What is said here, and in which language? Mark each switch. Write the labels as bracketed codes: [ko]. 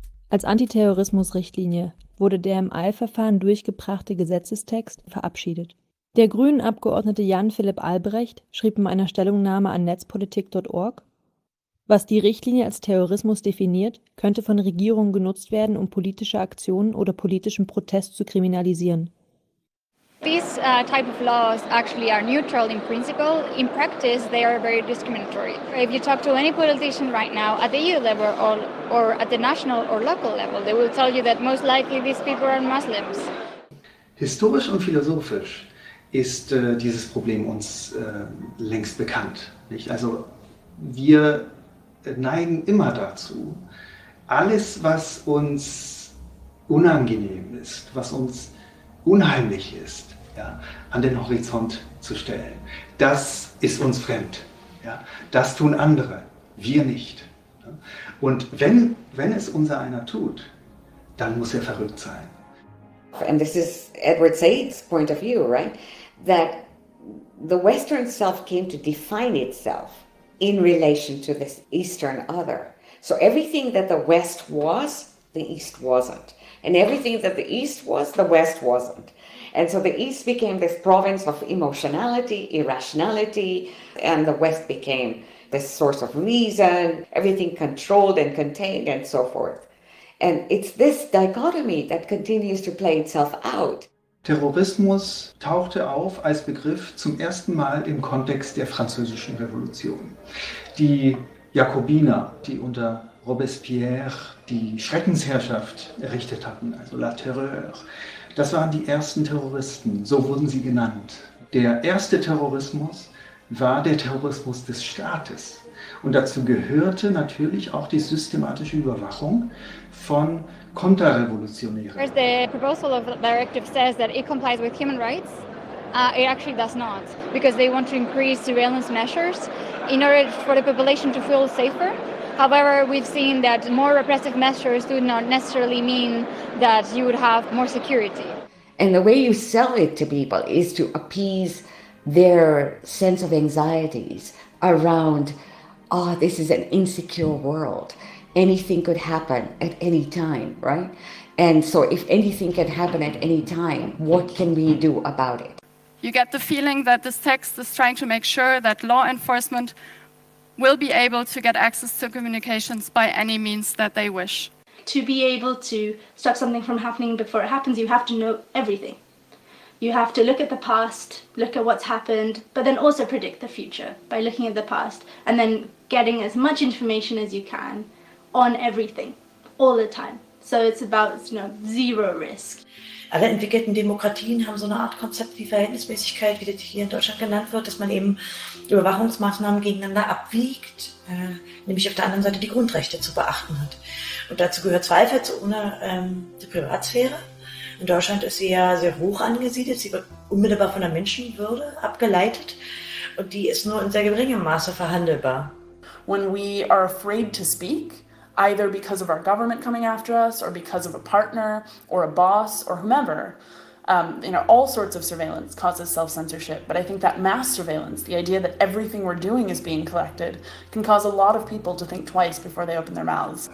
[de] Als Antiterrorismusrichtlinie wurde der im Eilverfahren durchgebrachte Gesetzestext verabschiedet. Der Grünen-Abgeordnete Jan-Philipp Albrecht schrieb in einer Stellungnahme an netzpolitik.org: Was die Richtlinie als Terrorismus definiert, könnte von Regierungen genutzt werden, um politische Aktionen oder politischen Protest zu kriminalisieren. [en] These type of laws actually are neutral in principle. In practice, they are very discriminatory. If you talk to any politician right now at the EU level or at the national or local level, they will tell you that most likely these people are Muslims. [de] Historisch und philosophisch ist dieses Problem uns längst bekannt, nicht? Also wir neigen immer dazu, alles, was uns unangenehm ist, was uns unheimlich ist, ja, an den Horizont zu stellen. Das ist uns fremd. Ja. Das tun andere, wir nicht. Ja. Und wenn es unser einer tut, dann muss er verrückt sein. [en] And this is Edward Said's point of view, right? That the Western self came to define itself in relation to this Eastern other. So everything that the West was, the East wasn't. And everything that the East was, the West wasn't. And so the East became this province of emotionality, irrationality, and the West became this source of reason, everything controlled and contained and so forth. And it's this dichotomy that continues to play itself out. [de] Terrorismus tauchte auf als Begriff zum ersten Mal im Kontext der Französischen Revolution. Die Jakobiner, die unter Robespierre die Schreckensherrschaft errichtet hatten, also La Terreur, das waren die ersten Terroristen, so wurden sie genannt. Der erste Terrorismus war der Terrorismus des Staates. Und dazu gehörte natürlich auch die systematische Überwachung von Konterrevolutionären. [en] The proposal of the directive says that it complies with human rights. It actually does not, because they want to increase surveillance measures in order for the population to feel safer. However, we've seen that more repressive measures do not necessarily mean that you would have more security. And the way you sell it to people is to appease their sense of anxieties around, oh, this is an insecure world. Anything could happen at any time, right? And so if anything can happen at any time, what can we do about it? You get the feeling that this text is trying to make sure that law enforcement will be able to get access to communications by any means that they wish. To be able to stop something from happening before it happens, you have to know everything. You have to look at the past, look at what's happened, but then also predict the future by looking at the past and then getting as much information as you can on everything, all the time. So it's about, you know, zero risk. [de] Alle entwickelten Demokratien haben so eine Art Konzept wie Verhältnismäßigkeit, wie das hier in Deutschland genannt wird, dass man eben Überwachungsmaßnahmen gegeneinander abwiegt, nämlich auf der anderen Seite die Grundrechte zu beachten hat. Und dazu gehört zweifelsohne die Privatsphäre. In Deutschland ist sie ja sehr hoch angesiedelt, sie wird unmittelbar von der Menschenwürde abgeleitet und die ist nur in sehr geringem Maße verhandelbar. [en] When we are afraid to speak, either because of our government coming after us or because of a partner or a boss or whomever, all sorts of surveillance causes self-censorship. But I think that mass surveillance, the idea that everything we're doing is being collected, can cause a lot of people to think twice before they open their mouths.